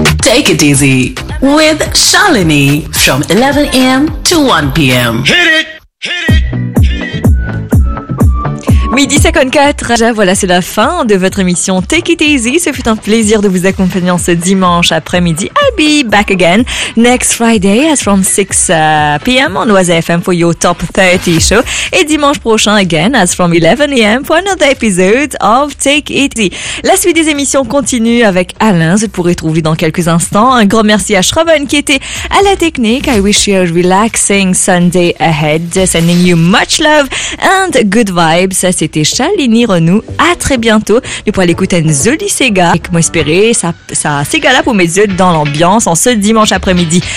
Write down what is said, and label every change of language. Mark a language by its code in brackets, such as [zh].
[en] Take it easy with Shalini from 11 a.m. to 1 p.m. Hit it. [fr] Midi 54, déjà voilà, c'est la fin de votre émission Take It Easy. Ce fut un plaisir de vous accompagner ce dimanche après-midi. [en] I'll be back again next Friday as from 6 p.m. on Oise FM for your top 30 show. [fr] Et dimanche prochain [en] again as from 11 a.m. for another episode of Take It Easy. [fr] La suite des émissions continue avec Alain, vous pourrez trouver dans quelques instants. Un grand merci à Shravan qui était à la technique. [en] I wish you a relaxing Sunday ahead, sending you much love and good vibes. [fr] C'était Shalini Renou. À très bientôt. Nous pourrons écouter une jolie Sega. Et comme espéré, ça Sega là pour mes yeux dans l'ambiance en ce dimanche après-midi.